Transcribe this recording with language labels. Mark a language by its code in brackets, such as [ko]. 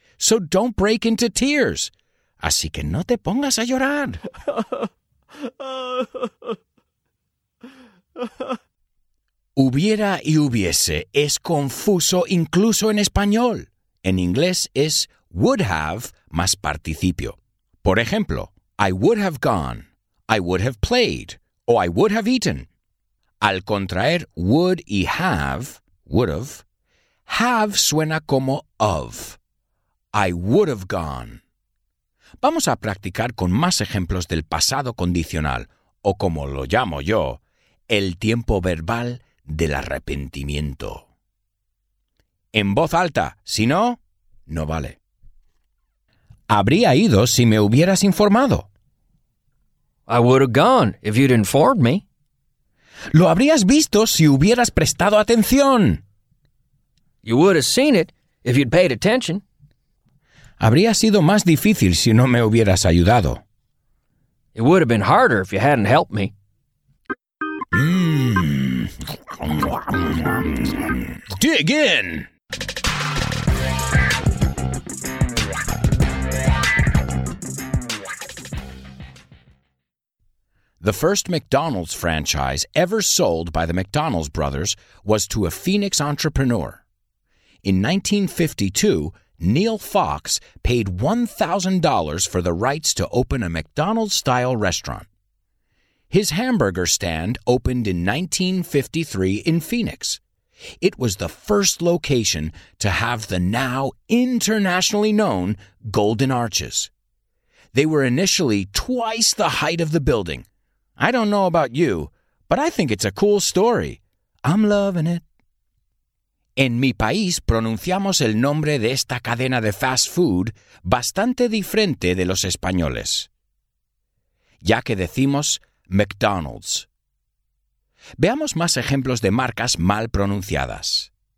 [en] So don't break into tears. [es] Así que no te pongas a llorar. Hubiera y hubiese es confuso incluso en español. En inglés es would have más participio. Por ejemplo, [en] I would have gone, I would have played, o I would have eaten. [es] Al contraer would y have suena como of. [en] I would have gone. [es] Vamos a practicar con más ejemplos del pasado condicional, o como lo llamo yo, el tiempo verbal del arrepentimiento. En voz alta, si no, no vale. Habría ido si me hubieras informado. [en] I would have gone if you'd informed me. [es] Lo habrías visto si hubieras prestado atención. [en] You would have seen it if you'd paid attention. [es] Habría sido más difícil si no me hubieras ayudado. [en] It would have been harder if you hadn't helped me. Dig in! The first McDonald's franchise ever sold by the McDonald's brothers was to a Phoenix entrepreneur. In 1952, Neil Fox paid $1,000 for the rights to open a McDonald's-style restaurant. His hamburger stand opened in 1953 in Phoenix. It was the first location to have the now internationally known Golden Arches. They were initially twice the height of the building. I don't know about you, but I think it's a cool story. I'm loving it. [es] En mi país pronunciamos el nombre de esta cadena de fast food bastante diferente de los españoles, ya que decimos McDonald's. Veamos más ejemplos de marcas mal pronunciadas.